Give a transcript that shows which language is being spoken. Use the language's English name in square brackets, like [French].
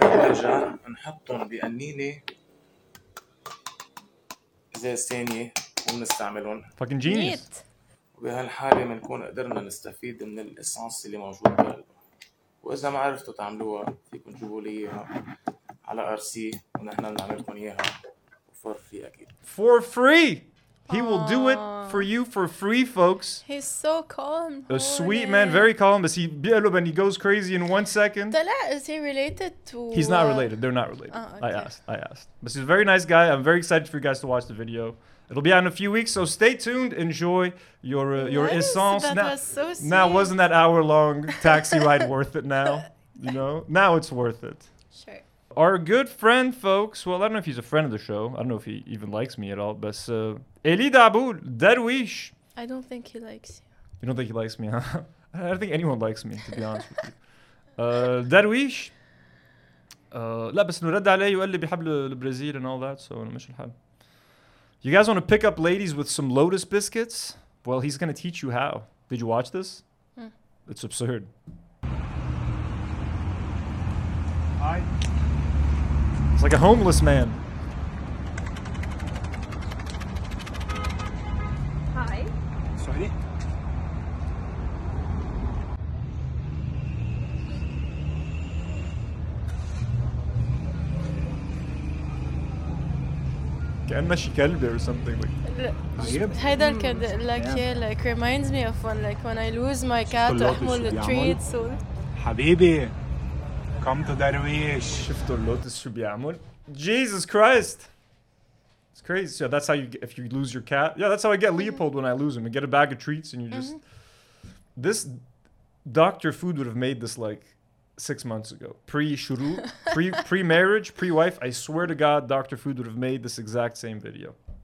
[Arabic] نرجع نحطهم بأنينة زي الثانية ومنستعملهم [English] Fucking genius Neat. [Arabic] وبهالحالة منكون قدرنا نستفيد من الإسانس اللي موجود بقلبه وإذا ما عرفتوا تعملوها فيكن تجيبوا ليها على RC ونحن نعملكن إياها [English] for free [Arabic] أكيد [English] For free! He will do it for you for free, folks. He's so calm. A sweet man, very calm. But he goes crazy in 1 second. Is he related to... He's not related. They're not related. Okay. I asked. But he's a very nice guy. I'm very excited for you guys to watch the video. It'll be out in a few weeks, so stay tuned. Enjoy your essence. That was so sweet. Now, wasn't that hour-long taxi ride worth it now? You know? Now it's worth it. Sure. Our good friend, folks. Well, I don't know if he's a friend of the show. I don't know if he even likes me at all. But Eli Daboul, Darwish. I don't think he likes you. You don't think he likes me, huh? I don't think anyone likes me, to be honest with you. Darwish. [Arabic] لا بس نرد عليه وقال لي بيحب البرازيل [English] and all that. [Arabic] So أنا مش الحال. [English] You guys want to pick up ladies with some lotus biscuits? Well, he's going to teach you how. Did you watch this? Mm. It's absurd. Hi. It's like a homeless man. Hi. Sorry. [Arabic] كأنه شي كلب [English] or something like. [Arabic] هذا الكلب [English] like reminds me of one like when I lose my cat [Arabic] أحمل التريت [English] so. [Arabic] حبيبي. [English] Come to Darwish. [Arabic] شفتوا اللوتس شو بيعمل؟ [English] Jesus Christ! It's crazy. So that's how you get, if you lose your cat. Yeah, that's how I get Leopold when I lose him. You get a bag of treats and you just... This doctor food would have made this like 6 months ago. Pre-shuru, pre-marriage, pre-wife. I swear to God, doctor food would have made this exact same video.